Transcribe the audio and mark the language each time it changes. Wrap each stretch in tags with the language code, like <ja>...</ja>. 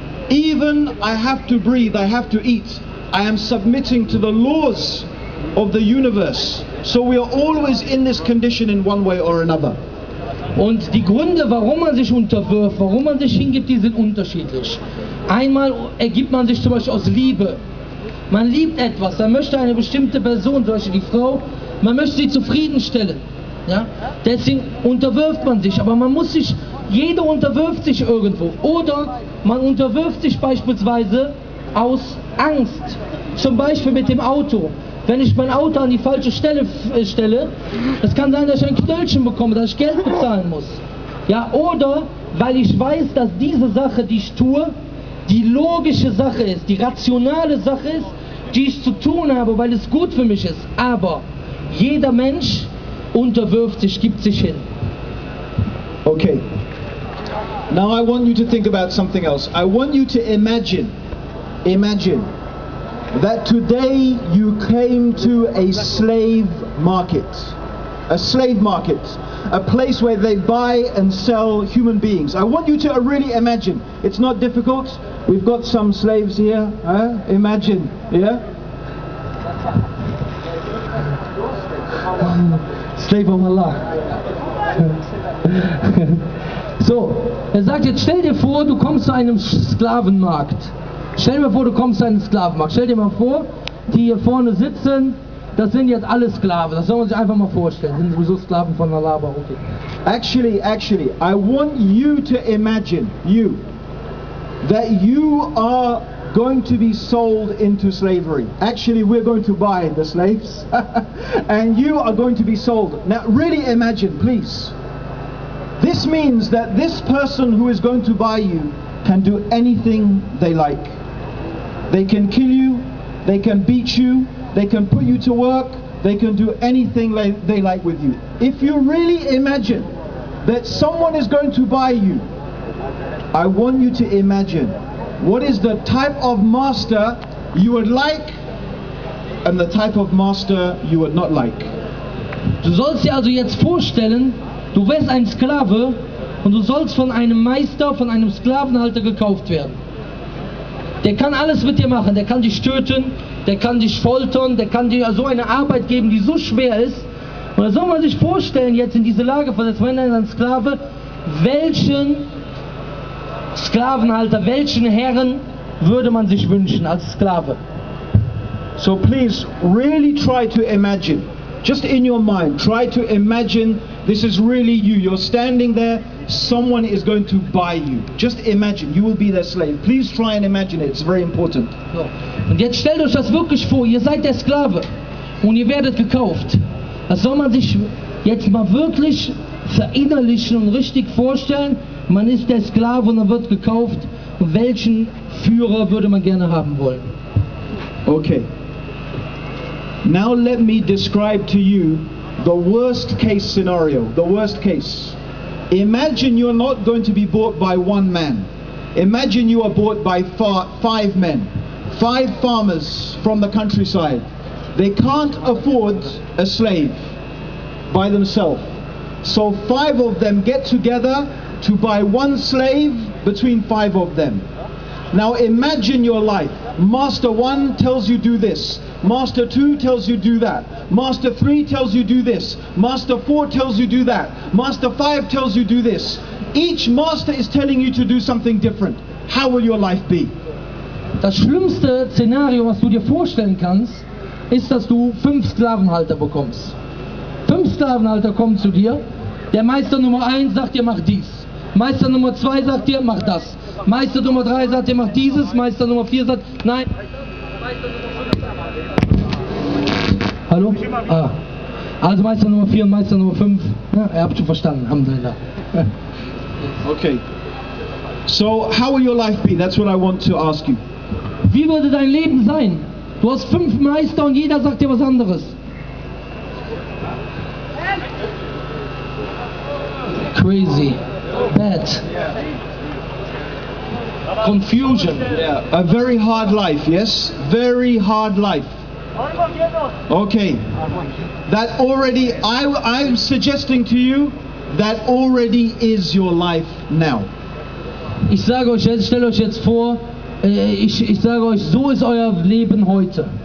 <en>Even I have to breathe, I have to eat. I am submitting to the laws of the universe. So we are always in this condition in one way or another.</en> <de>Und die Gründe, warum man sich unterwirft, warum man sich hingibt, die sind unterschiedlich. Einmal ergibt man sich zum Beispiel aus Liebe. Man liebt etwas, man möchte eine bestimmte Person, zum Beispiel die Frau, man möchte sie zufriedenstellen. Ja? Deswegen unterwirft man sich, aber man muss sich, jeder unterwirft sich irgendwo. Oder man unterwirft sich beispielsweise aus Angst, zum Beispiel mit dem Auto. Wenn ich mein Auto an die falsche Stelle stelle, es kann sein, dass ich ein Knöllchen bekomme, dass ich Geld bezahlen muss. Ja, oder weil ich weiß, dass diese Sache, die ich tue, die logische Sache ist, die rationale Sache ist, die ich zu tun habe, weil es gut für mich ist. Aber jeder Mensch unterwirft sich, gibt sich hin. Okay.</de> <en>Now I want you to think about something else. I want you to imagine. That today you came to a slave market, a place where they buy and sell human beings. I want you to really imagine. It's not difficult. We've got some slaves here. Imagine, yeah? Slave of Allah.</en> <de>So, sagt jetzt, stell dir vor, du kommst zu einem Sklavenmarkt. Stell dir mal vor, du kommst zu einem Sklavenmarkt. Stell dir mal vor, die hier vorne sitzen, Das sind jetzt alle Sklaven. Das soll man sich einfach mal vorstellen. Das sind sowieso Sklaven von Allah, aber okay.</de> <en>Actually, I want you to imagine, you, that you are going to be sold into slavery. Actually, we're going to buy the slaves. And you are going to be sold. Now, really imagine, please. This means that this person who is going to buy you can do anything they like. They can kill you, they can beat you, they can put you to work, they can do anything they like with you. If you really imagine that someone is going to buy you, I want you to imagine what is the type of master you would like and the type of master you would not like.</en> <de>Du sollst dir also jetzt vorstellen, du wärst ein Sklave und du sollst von einem Meister, von einem Sklavenhalter gekauft werden. Der kann alles mit dir machen, der kann dich töten, der kann dich foltern, der kann dir so eine Arbeit geben, die so schwer ist. Und da soll man sich vorstellen, jetzt in diese Lage versetzt, wenn ein Sklave, welchen Sklavenhalter, welchen Herren würde man sich wünschen als Sklave?</de> <en>So please, really try to imagine. Just in your mind, try to imagine this is really you. You're standing there, someone is going to buy you. Just imagine, you will be their slave. Please try and imagine it, it's very important.</en> <de>Und jetzt stellt euch das wirklich vor, ihr seid der Sklave und ihr werdet gekauft. Das soll man sich jetzt mal wirklich verinnerlichen und richtig vorstellen. Man ist der Sklave und er wird gekauft. Welchen Führer würde man gerne haben wollen?</de> <en>Okay. Now let me describe to you the worst case scenario, the worst case. Imagine you're not going to be bought by one man. Imagine you are bought by five men, five farmers from the countryside. They can't afford a slave by themselves. So five of them get together to buy one slave between five of them. Now imagine your life. Master one tells you do this. Master two tells you do that. Master three tells you do this. Master four tells you do that. Master five tells you do this. Each master is telling you to do something different. How will your life be?</en> <de>Das schlimmste Szenario, was du dir vorstellen kannst, ist, dass du fünf Sklavenhalter bekommst. Fünf Sklavenhalter kommen zu dir. Der Meister Nummer eins sagt dir, mach dies. Meister Nummer zwei sagt dir, mach das. Meister Nummer 3 sagt, ihr macht dieses, Meister Nummer 4 sagt, nein. Hallo? Ah. Also Meister Nummer 4 und Meister Nummer 5, ja, ihr habt schon verstanden, Alhamdulillah.</de> <en>Okay. So, how will your life be? That's what I want to ask you.</en> <de>Wie würde dein Leben sein? Du hast 5 Meister und jeder sagt dir was anderes.</de> <en>Crazy. Bad. Confusion. Yeah. A very hard life, yes? Very hard life. Okay. That already, I'm suggesting to you, that already is your life now.</en> <de>Ich sage euch jetzt, stell euch jetzt vor, ich sage euch, so ist euer Leben heute.</de>